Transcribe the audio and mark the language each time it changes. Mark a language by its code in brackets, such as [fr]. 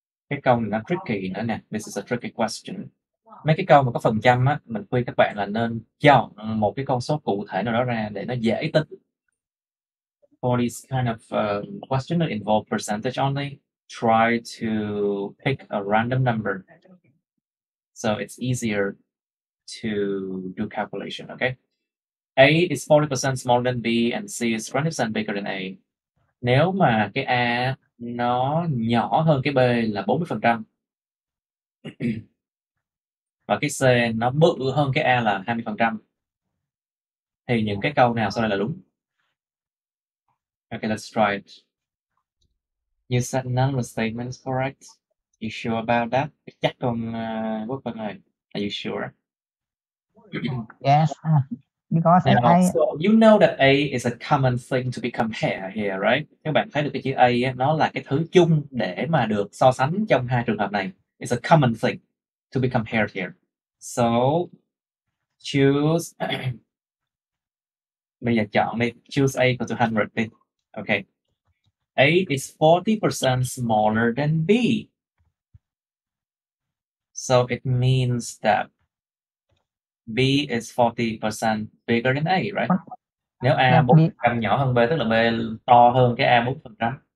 [vi] Cái câu này nó tricky nữa nè. [en] This is a tricky question. [vi] Mấy cái câu mà có phần trăm á, mình khuyên các bạn là nên chọn một cái con số cụ thể nào đó ra để nó dễ tính. [en] For this kind of question that involve percentage only, try to pick a random number so it's easier to do calculation, okay? A is 40% smaller than B and C is 20% bigger than A. [vi] Nếu mà cái A nó nhỏ hơn cái B là 40% và cái C nó bự hơn cái A là 20% thì những cái câu nào sau đây là đúng? [en] Okay, let's try it. You said none of the statements correct. You sure about that? [vi] Chắc còn Quốc Vân ơi. [en] Are you sure? Yes. Because Now, I so you know that A is a common thing to be compared here, right? [vi] Các bạn thấy được cái chữ A nó là cái thứ chung để mà được so sánh trong hai trường hợp này. [en] It's a common thing to be compared here. So choose. [vi] Bây giờ chọn đi. [en] Choose A for 200 đi. Okay. A is 40% smaller than B. So it means that B is 40% bigger than A, right? [vi] Nếu A 40% nhỏ hơn B, tức là B to hơn cái A 40%.